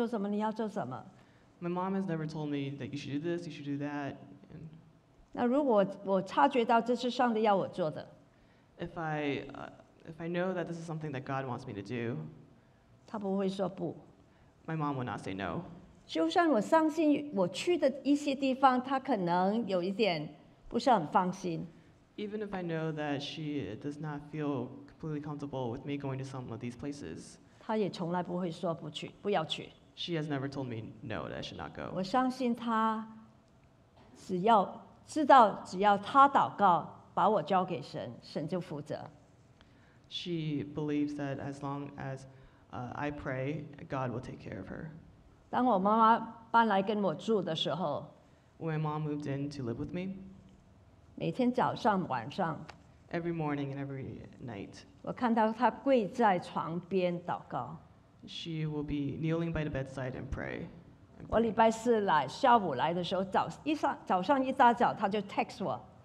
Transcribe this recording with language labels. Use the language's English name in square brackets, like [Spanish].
[English] My mom has never told me that you should do this, you should do that. [Chinese] 那如果我察觉到这是上帝要我做的, [English] if I know that this is something that God wants me to do, [Chinese] 他不会说不, [English] my mom would not say no. [Chinese] 就算我相信我去的一些地方，他可能有一点不是很放心。 [English] Even if I know that she does not feel completely comfortable with me going to some of these places, [Chinese] 她也从来不会说不去，不要去。 [English] She has never told me no, that I should not go. [Chinese] 我相信她只要知道只要她祷告把我交给神，神就负责。 [English] She believes that as long as I pray, God will take care of her. [Chinese] 当我妈妈搬来跟我住的时候, [English] When my mom moved in to live with me, [Chinese] 每天早上晚上, [English] every morning and every night, [Chinese] 我看到她跪在床边祷告。 [English] She will be kneeling by the bedside and pray. [Chinese] 我礼拜四来，下午来的时候，早上一大早她就text我。